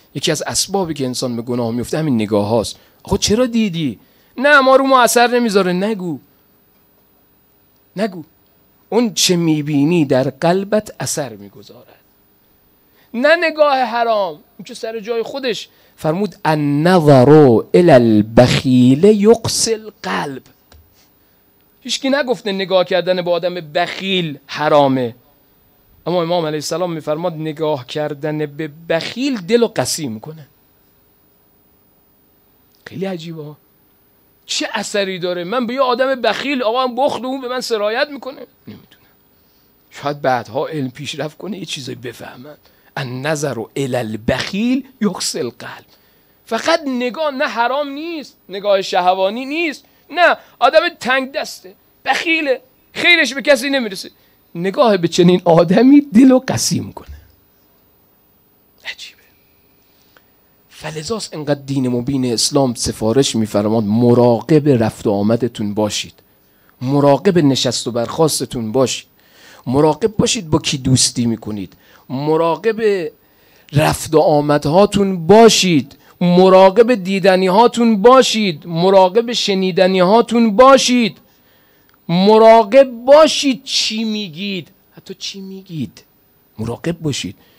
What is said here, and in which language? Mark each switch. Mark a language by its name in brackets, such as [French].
[Persian] یکی از اسبابی که انسان به گناه میفته همین نگاه هاست. آخو چرا دیدی؟ نه ما رو ما اثر نمیذاره. نگو نگو، اون چه میبینی در قلبت اثر میگذارد. نه نگاه حرام، اون که سر جای خودش. فرمود [Arabic] النظر الى البخيل يقسي القلب. [Persian] هیچکی نگفته نگاه کردن به آدم بخیل حرامه، اما امام علیه السلام میفرماد نگاه کردن به بخیل دلو قسی میکنه. خیلی عجیبه، چه اثری داره؟ من به یه آدم بخیل، آقا من بخل، اون به من سرایت میکنه؟ نمیدونم، شاید بعدها علم پیشرفت کنه یه چیزایی بفهمن. [Arabic] النظر الى البخيل يقسي القلب. [Persian] فقط نگاه نه حرام نیست، نگاه شهوانی نیست، نه آدم تنگ دسته، بخیله، خیرش به کسی نمیرسه. نگاه به چنین آدمی دلو قسی میکنه. عجیبه. فلزاس انقدر دین مبین اسلام سفارش میفرماد مراقب رفت و آمدتون باشید، مراقب نشست و برخاستتون باشید، مراقب باشید با کی دوستی میکنید، مراقب رفت و آمدهاتون باشید، مراقب دیدنیهاتون باشید، مراقب شنیدنیهاتون باشید، مراقب باشید چی میگید، حتی چی میگید مراقب باشید.